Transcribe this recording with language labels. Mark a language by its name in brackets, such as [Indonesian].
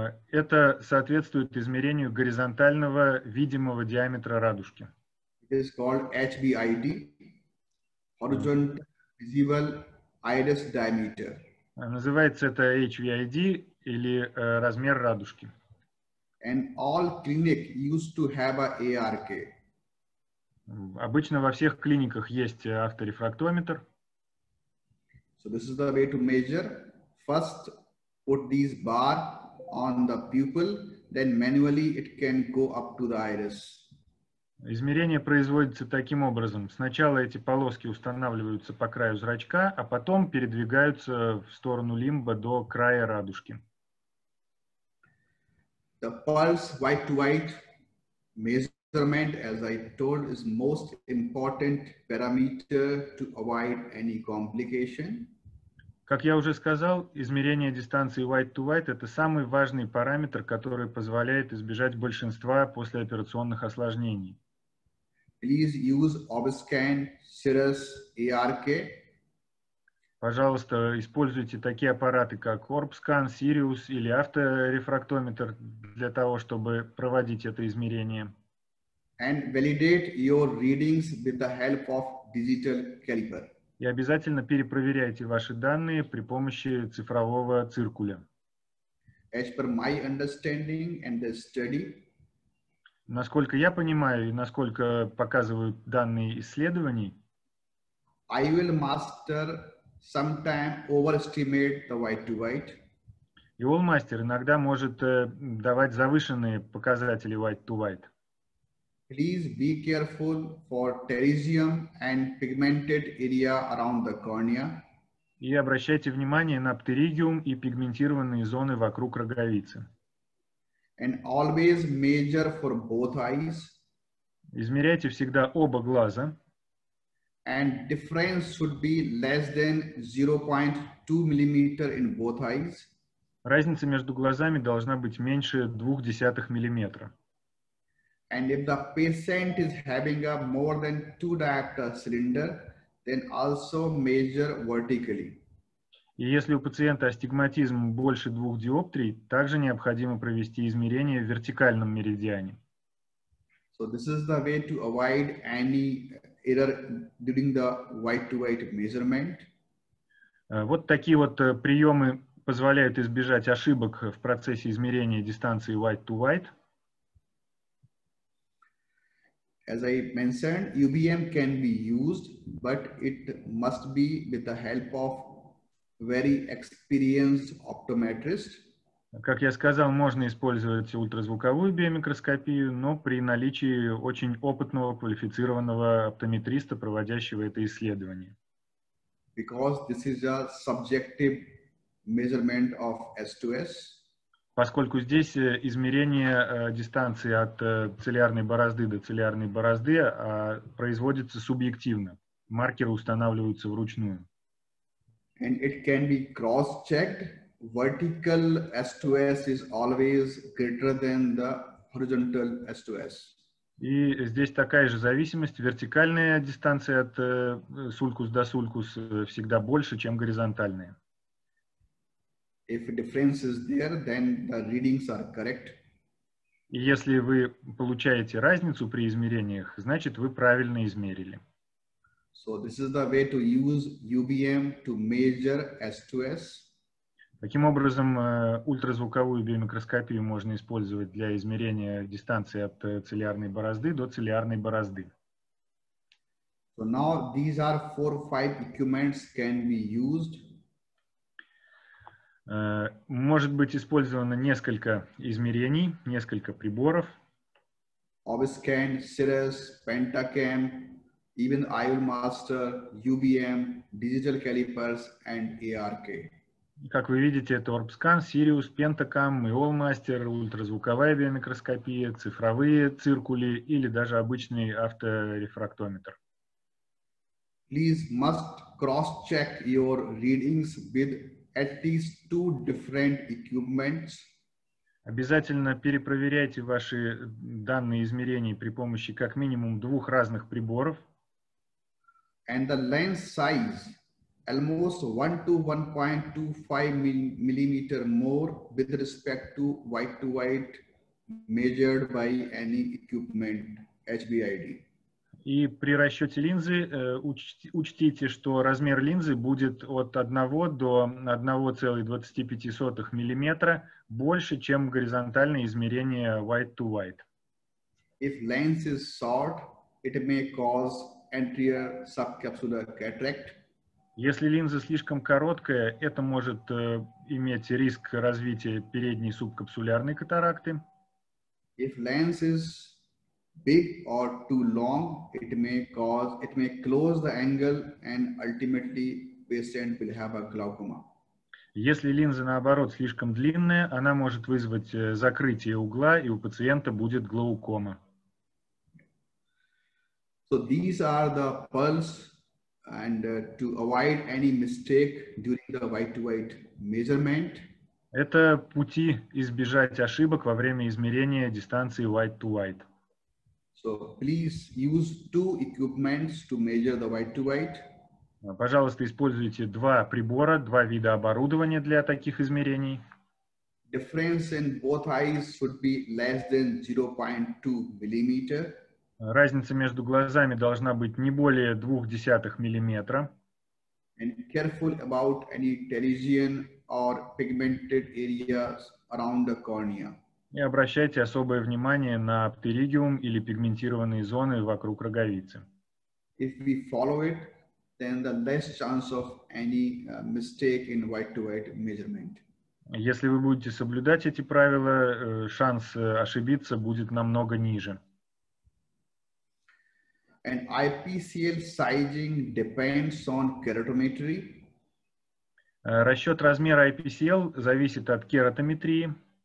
[Russian] Это соответствует измерению горизонтального видимого диаметра радужки. [English] It is called HVID, horizontal visible iris diameter. [Russian] Называется это HVID или размер радужки. [English] And all clinic used to have a ARK. [Russian] Обычно во всех клиниках есть авторефрактометр. [English] So this is the way to measure. First put these bar on the pupil, then manually it can go up to the iris. [Russian] Измерение производится таким образом. Сначала эти полоски устанавливаются по краю зрачка, а потом передвигаются в сторону лимба до края радужки. [English] The pulse white-to-white measurement, as I told, is most important parameter to avoid any complication. [Russian] Как я уже сказал, измерение дистанции white-to-white – это самый важный параметр, который позволяет избежать большинства послеоперационных осложнений. [English] Please use Obscan, Cirrus, ARK. [Russian] Пожалуйста, используйте такие аппараты, как Orbscan, Sirius или авторефрактометр для того, чтобы проводить это измерение. [English] And validate your readings with the help of digital caliper. [Russian] И обязательно перепроверяйте ваши данные при помощи цифрового циркуля. [English] As per my understanding and the study, [Russian] насколько я понимаю и насколько показывают данные исследований, [English] I will master sometime overestimate the white-to-white. [Russian] И Allmaster иногда может давать завышенные показатели white-to-white. [English] Please be careful for pterygium and pigmented area around the cornea. [Russian] И обращайте внимание на птеригиум и пигментированные зоны вокруг роговицы. [English] And always measure for both eyes. [Russian] Измеряйте всегда оба глаза. [English] And difference should be less than 0.2 millimeter in both eyes. [Russian] Разница между глазами должна быть меньше 0.2 миллиметра. [English] And if the patient is having a more than 2 diopter cylinder, then also measure vertically. [Russian] И если у пациента астигматизм больше 2 диоптрий, также необходимо провести измерение в вертикальном меридиане. [English] So this is the way to avoid any error during the white-to-white measurement. [Russian] Вот такие вот приемы позволяют избежать ошибок в процессе измерения дистанции white-to-white. [English] As I mentioned, UBM can be used, but it must be with the help of very experienced optometrist. [Russian] Как я сказал, можно использовать ультразвуковую биомикроскопию, но при наличии очень опытного, квалифицированного оптометриста, проводящего это исследование. [English] Because this is a subjective measurement of S2S. [Russian] Поскольку здесь измерение дистанции от цилиарной борозды до цилиарной борозды производится субъективно. Маркеры устанавливаются вручную. [English] And it can be cross-checked. Vertical S2S is always greater than the horizontal S2S. [Russian] И здесь такая же зависимость. Вертикальная дистанция от сулькус до сулькус всегда больше, чем горизонтальная. [English] If difference is there, then the readings are correct. [Russian] Если вы получаете разницу при измерениях, значит вы правильно измерили. [English] So this is the way to use UBM to measure S2S. [Russian] Таким образом, ультразвуковую биомикроскопию можно использовать для измерения дистанции от цилиарной борозды до цилиарной борозды. [English] So now these are 4 or 5 equipments can be used. [Russian] Может быть использовано несколько измерений, несколько приборов. [English] Obiscan, Cirrus, Pentacam, even IOLMaster, UBM, Digital Calipers and ARK. [Russian] Как вы видите, это Orbscan, Cirrus, Pentacam, IOLMaster, ультразвуковая биомикроскопия, цифровые циркули или даже обычный авторефрактометр. [English] Please must cross-check your readings with at least 2 different equipments. [Russian] Обязательно перепроверяйте ваши данные измерений при помощи как минимум 2 разных приборов. [English] And the lens size almost 1 to 1.25 millimeter more with respect to white to white measured by any equipment HBID. [Russian] И при расчете линзы учтите, что размер линзы будет от 1 до 1,25 мм больше, чем горизонтальное измерение white-to-white. [English] If lens is short, it may cause anterior subcapsular cataract. [Russian] Если линза слишком короткая, это может иметь риск развития передней субкапсулярной катаракты. [English] If lens is big or too long, it may close the angle and ultimately patient will have a glaucoma. [Russian] Если линза наоборот слишком длинная, она может вызвать закрытие угла и у пациента будет глаукома. [English] So these are the pearls, and to avoid any mistake during the white-to-white measurement. [Russian] Это пути избежать ошибок во время измерения дистанции white-to-white. [English] So please use 2 equipments to measure the white-to-white. [Russian] Пожалуйста, используйте 2 прибора, 2 вида оборудования для таких измерений. [English] Difference in both eyes should be less than 0.2 millimeter. [Russian] Разница между глазами должна быть не более 0.2 миллиметра. [English] And careful about any pterygian or pigmented areas around the cornea. [Russian] И обращайте особое внимание на птеригиум или пигментированные зоны вокруг роговицы. [English] If we follow it, then the less chance of any mistake in white-to-white measurement. [Russian] Если вы будете соблюдать эти правила, шанс ошибиться будет намного ниже. [English] And IPCL sizing depends on keratometry. [Russian] Расчет размера IPCL зависит от кератометрии.